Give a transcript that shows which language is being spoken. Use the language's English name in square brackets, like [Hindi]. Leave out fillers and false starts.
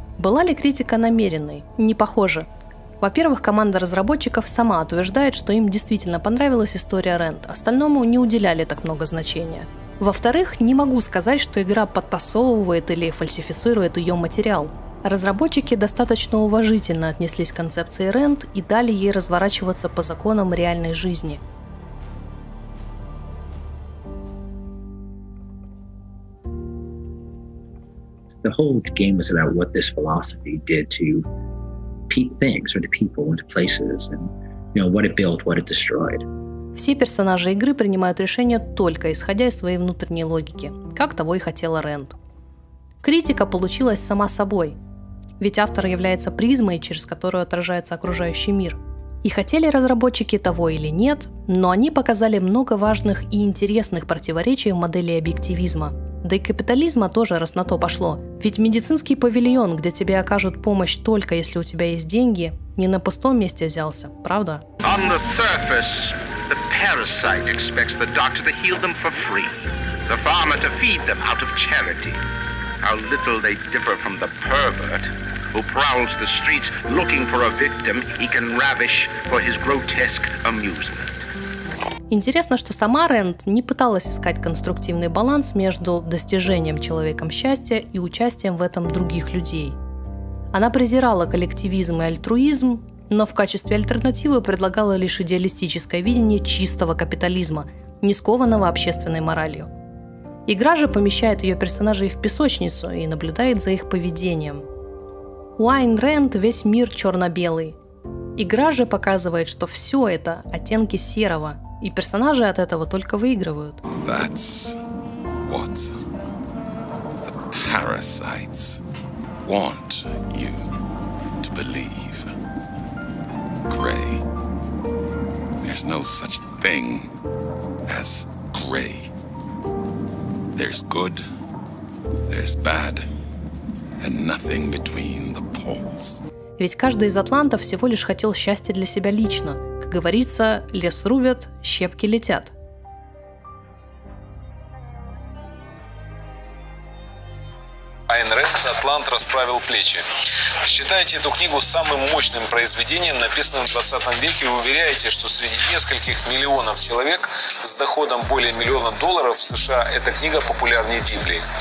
[Russian] Была ли критика намеренной? Не похоже. Во-первых, команда разработчиков сама утверждает, что им действительно понравилась история Рэнд, остальному не уделяли так много значения. Во-вторых, не могу сказать, что игра подтасовывает или фальсифицирует ее материал. Разработчики достаточно уважительно отнеслись к концепции Рэнд и дали ей разворачиваться по законам реальной жизни. [English] The whole game is about what this philosophy did to things or to people and to places and you know what it built, what it destroyed. [Russian] Все персонажи игры принимают решения только исходя из своей внутренней логики, как того и хотела Рэнд. Критика получилась сама собой. Ведь автор является призмой, через которую отражается окружающий мир. И хотели разработчики того или нет, но они показали много важных и интересных противоречий в модели объективизма. Да и капитализма тоже, раз на то пошло. Ведь медицинский павильон, где тебе окажут помощь только если у тебя есть деньги, не на пустом месте взялся, правда? [English] On the surface, the parasite expects the doctor to heal them for free. The farmer to feed them out of charity. How little they differ from the pervert who prowls the streets looking for a victim he can ravish for his grotesque amusement. [Russian] Интересно, что сама Рэнд не пыталась искать конструктивный баланс между достижением человеком счастья и участием в этом других людей. Она презирала коллективизм и альтруизм, но в качестве альтернативы предлагала лишь идеалистическое видение чистого капитализма, не скованного общественной моралью. Игра же помещает ее персонажей в песочницу и наблюдает за их поведением. У Айн Рэнд весь мир черно-белый. Игра же показывает, что все это – оттенки серого, и персонажи от этого только выигрывают. [English] That's what the parasites want you to believe. Gray. There's no such thing as gray. There's good, there's bad, and nothing between the poles. [Russian] Ведь каждый из атлантов всего лишь хотел счастья для себя лично. Как говорится, лес рубят, щепки летят. Айн Рэнд «Атлант расправил плечи». Считаете эту книгу самым мощным произведением, написанным в 20 веке, и уверяете, что среди нескольких миллионов человек с доходом более миллиона долларов в США эта книга популярнее Библии.